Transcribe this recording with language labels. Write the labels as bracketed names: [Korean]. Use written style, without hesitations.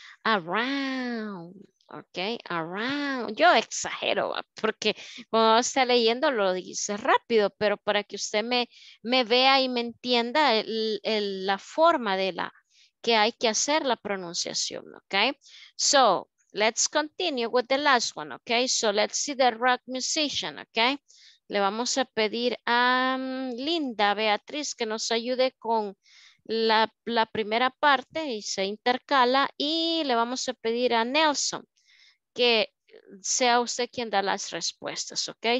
[English] Around, ok, around. [Spanish] Yo exagero porque cuando está leyendo lo dice rápido, pero para que usted me vea y me entienda la forma de la que hay que hacer la pronunciación, ok. [English] So, let's continue with the last one, ok. So, let's see the rock musician, ok. [Spanish] Le vamos a pedir a Linda Beatriz que nos ayude con la primera parte y se intercala, y le vamos a pedir a Nelson que sea usted quien da las respuestas, ok.